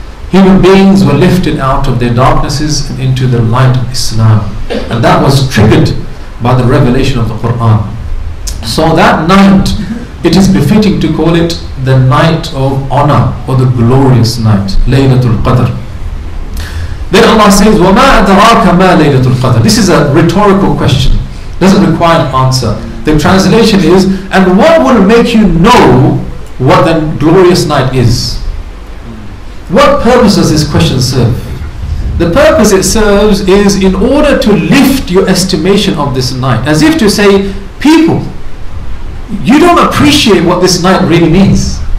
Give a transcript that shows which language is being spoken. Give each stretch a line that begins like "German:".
English: Human beings were lifted out of their darknesses and into the light of Islam. And that was triggered by the revelation of the Quran. So that night, it is befitting to call it the night of honor, or the glorious night, Laylatul Qadr. Then Allah says,
Arabic: وَمَا أَدْرَاكَ مَا لَيْلَةُ الْقَدْرِ.
English: This is a rhetorical question, doesn't require an answer. The translation is, and what will make you know what the glorious night is? What purpose does this question serve? The purpose it serves is in order to lift your estimation of this night, as if to say, people, you don't appreciate what this night really means.